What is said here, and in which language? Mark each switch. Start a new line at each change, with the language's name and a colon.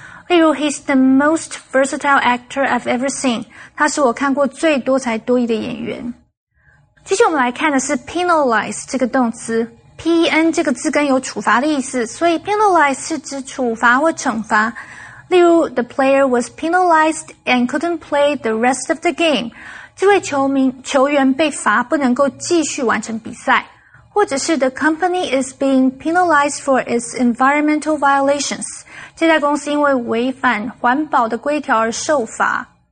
Chinese: 例如
English: he's the most versatile actor I've ever seen.
Chinese: 他是我看过最多才多艺的演员。接下来我们来看的是 penalize 这个动词。PEN 这个字根有处罚的意思，所以 penalize 是指处罚或惩罚。例如
English: the player was penalized and couldn't play the rest of the game.
Chinese: 这位球员被罚不能够继续完成比赛。或者是
English: the company is being penalized for its environmental violations.
Chinese: 这家公司因为违反环保的规条而受罚。